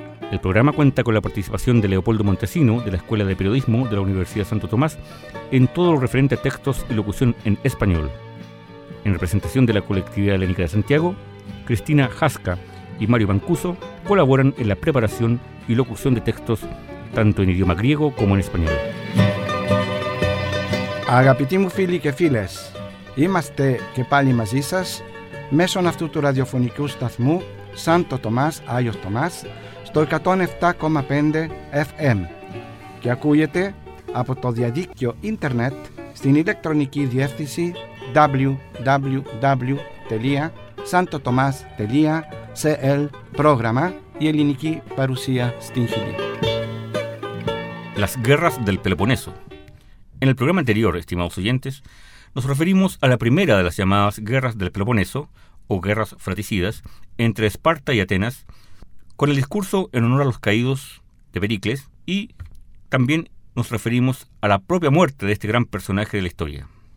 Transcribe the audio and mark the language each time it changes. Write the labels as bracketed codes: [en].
[es] El programa cuenta con la participación de Leopoldo Montesino, de la Escuela de Periodismo de la Universidad Santo Tomás, en todo lo referente a textos y locución en español. En representación de la Colectividad Helénica de Santiago, Cristina Jasca y Mario Mancuso colaboran en la preparación y locución de textos, tanto en idioma griego como en español. [el] Αγαπητοί φίλοι και φίλες, είμαστε και πάλι μαζί σας μέσω αυτού του ραδιοφωνικού σταθμού Σάντο Τομάς, Άγιος Τομάς, στο 107,5 FM και ακούγεται από το διαδίκτυο ίντερνετ στην ηλεκτρονική διεύθυνση www.santotomas.cl πρόγραμμα η ελληνική παρουσία στην Χιλή. [es] Las guerras del Peloponeso. En el programa anterior, estimados oyentes, nos referimos a la primera de las llamadas guerras del Peloponeso, o guerras fratricidas, entre Esparta y Atenas, con el discurso en honor a los caídos de Pericles, y también nos referimos a la propia muerte de este gran personaje de la historia.